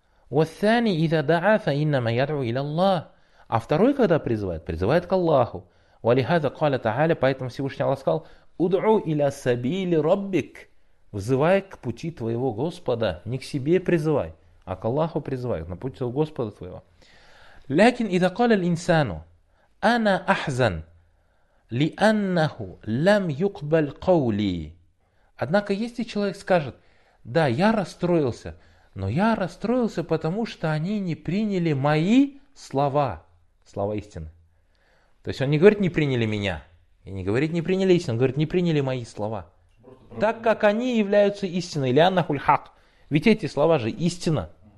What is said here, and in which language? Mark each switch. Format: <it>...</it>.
<ar>وَثَّانِ إِذَا دَعَى فَإِنَّمَا يَدْعُ إِلَى اللَّهِ.</ar> <ru>А второй, когда призывает, призывает к Аллаху.</ru> <ar>وَلِهَذَا قَالَ تَعَالَى.</ar> <ru>Поэтому Всевышний Аллах сказал:</ru> <ar>«Удعو إلى سبيل ربك».</ar> <ru>Взывай к пути твоего Господа, не к себе призывай, а к Аллаху призывай, на пути твоего Господа твоего.</ru> <ar>لكن إذا قال الإنسان أنا أحزن لأنه لم يقبل قولي.</ar> <ru>Однако если человек скажет: да, я расстроился, но я расстроился потому, что они не приняли мои слова, слова истины. То есть он не говорит: не приняли меня, и не говорит: не приняли истину, он говорит: не приняли мои слова. Так как они являются истиной, или</ru> <ar>аннахуль хак.</ar> <ru>Ведь эти слова же истина.</ru>